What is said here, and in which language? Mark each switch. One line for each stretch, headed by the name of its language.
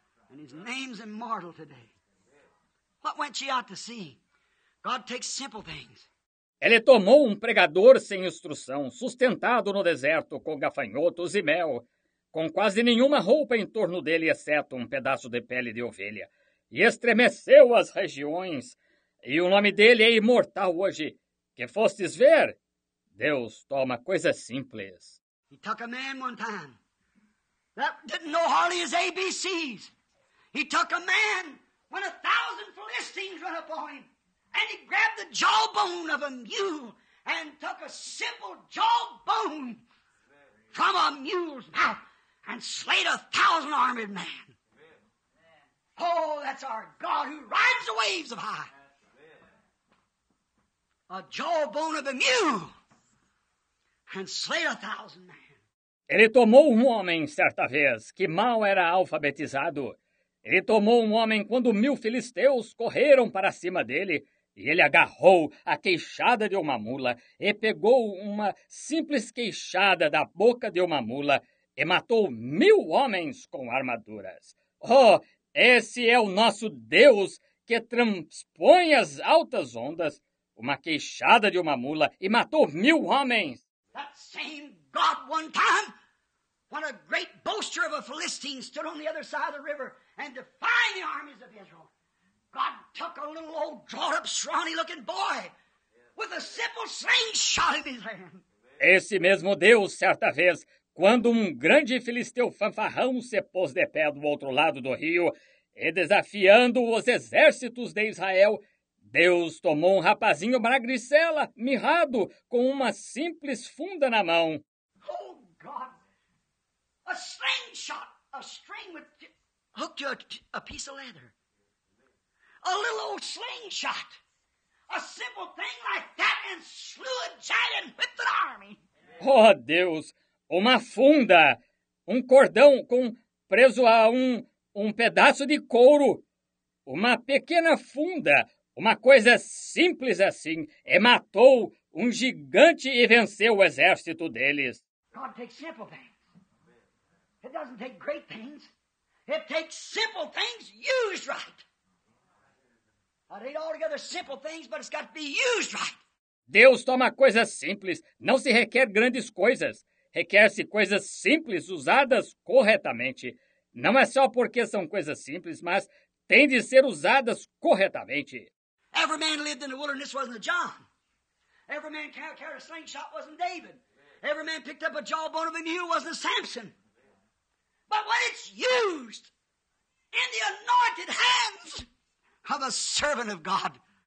English: And his name's immortal today. What went she out to see? God takes simple things.
Portuguese: Ele tomou um pregador sem instrução, sustentado no deserto com gafanhotos e mel, com quase nenhuma roupa em torno dele, exceto um pedaço de pele de ovelha, e estremeceu as regiões. E o nome dele é imortal hoje. Que fostes ver? Deus toma coisas simples.
English: He took a man one time that didn't know hardly his ABCs. He took a man when 1,000 Philistines run upon him. And he grabbed the jawbone of a mule and took a simple jawbone from a mule's mouth and slayed 1,000 armed men. Oh, that's our God who rides the waves of high. A jawbone of a mule and slayed 1,000 men.
Portuguese: Ele tomou homem certa vez que mal era alfabetizado. Ele tomou homem quando 1,000 filisteus correram para cima dele. E ele agarrou a queixada de uma mula e pegou uma simples queixada da boca de uma mula e matou 1,000 homens com armaduras. Oh, esse é o nosso Deus que transpõe as altas ondas, uma queixada de uma mula e matou 1,000 homens.
English: That same God one time, when a great boaster of a Philistine stood on the other side of the river and defied the armies of Israel. God took a little old drawn-up, scrawny-looking boy with a simple slingshot in his hand.
Portuguese: Esse mesmo Deus, certa vez, quando grande filisteu fanfarrão se pôs de pé do outro lado do rio e desafiando os exércitos de Israel, Deus tomou rapazinho magricela, mirrado, com uma simples funda na mão.
English: Oh, God! A slingshot! A string with hooked to a piece of leather. A little old slingshot. A simple thing like that and slew a giant with the army.
Portuguese: Oh, Deus! Uma funda! Um cordão com preso a um pedaço de couro! Uma pequena funda! Uma coisa simples assim! E matou um gigante e venceu o exército deles!
English: God takes simple things. It doesn't take great things. It takes simple things used right. It ain't altogether simple things, but it's got to be used right.
Portuguese: Deus toma coisas simples. Não se requer grandes coisas. Requer-se coisas simples usadas corretamente. Não é só porque são coisas simples, mas têm de ser usadas corretamente.
English: Every man lived in the wilderness wasn't a John. Every man carried a slingshot wasn't David. Every man picked up a jawbone of a mule wasn't a Samson. But when it's used in the anointed hands of a servant of God.